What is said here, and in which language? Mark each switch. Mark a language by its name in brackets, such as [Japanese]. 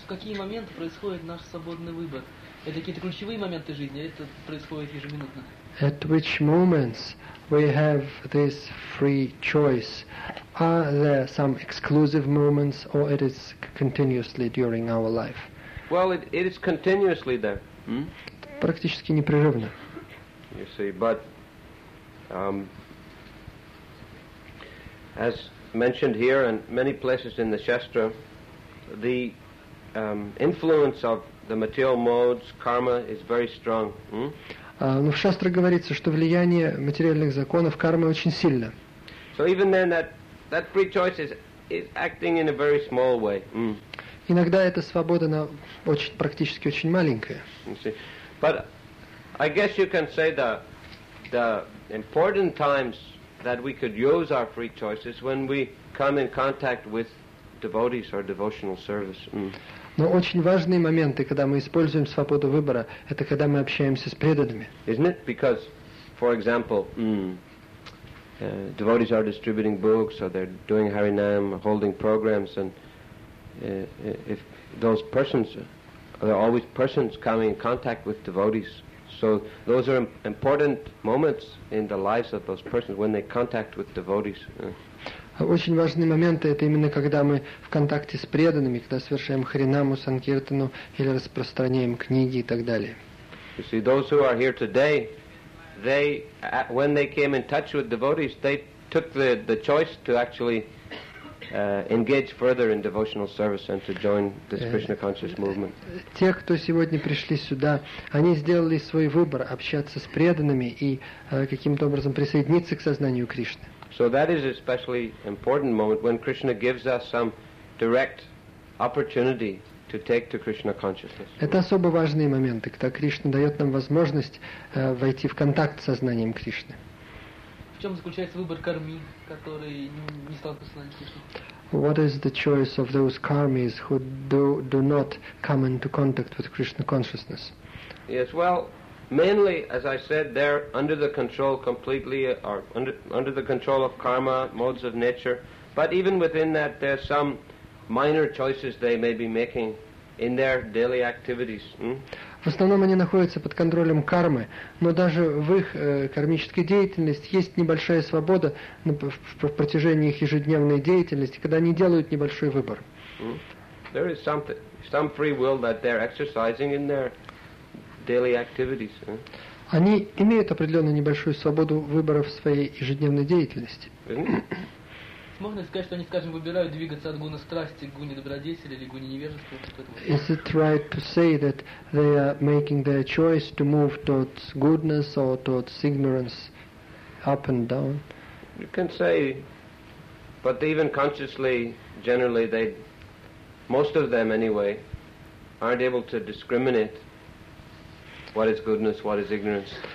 [Russian] В какие моменты происходит наш свободный выбор? Это какие-то ключевые моменты жизни, или это происходит ежеминутно? [English] At which moments we have this free choice? Are there some exclusive moments, or it is continuously during our life? Well, it is continuously there. [Russian] Практически непрерывно. [English] You see, but as mentioned here and many places in the Shastra, the influence of the material modes, karma, is very strong. [Russian] Но в Шастре говорится, что влияние материальных законов, кармы, очень сильно. [English] So even then, that free choice is acting in a very small way. [Russian] Иногда эта свобода, она очень, практически очень маленькая. [English] But I guess you can say the important times that we could use our free choice is when we come in contact with devotees or devotional service. [Russian] Но очень важные моменты, когда мы используем свободу выбора, это когда мы общаемся с преданными. [English] Isn't it? Because, for example, devotees are distributing books, or they're doing Harinam, holding programs, and if those persons, there are always persons coming in contact with devotees, so those are important moments in the lives of those persons when they contact with devotees. [Russian] Очень важные моменты – это именно когда мы в контакте с преданными, когда совершаем харинаму, санкиртану или распространяем книги и так далее. [English] You see, those who are here today, they, when they came in touch with devotees, they took the choice to actually engage further in devotional service and to join this Krishna conscious movement. [Russian] Те, кто сегодня пришли сюда, они сделали свой выбор общаться с преданными и каким-то образом присоединиться к сознанию Кришны. [English] So that is especially important moment when Krishna gives us some direct opportunity to take to Krishna consciousness. [Russian] Это особо важные моменты, когда Кришна дает нам возможность войти в контакт с сознанием Кришны. В чем заключается выбор карми, который не стал сознанием Кришны? [English] What is the choice of those karmis who do not come into contact with Krishna consciousness? Yes, well, mainly, as I said, they're under the control completely, or under the control of karma, modes of nature. But even within that, there's some minor choices they may be making in their daily activities. [Russian] В основном они находятся под контролем кармы, но даже в их кармической деятельности есть небольшая свобода в протяжении их ежедневной деятельности, когда они делают небольшой выбор. [English] There is some free will that they're exercising in their daily activities. [Russian] Они имеют определенную небольшую свободу выбора в своей ежедневной деятельности. Можно сказать, что они, скажем, выбирают двигаться от гуны страсти к гуне добродетели или гуне невежества? [English] Is it right to say that they are making their choice to move towards goodness or towards ignorance, up and down? You can say, but even consciously, generally, they, most of them anyway, aren't able to discriminate what is goodness, what is ignorance.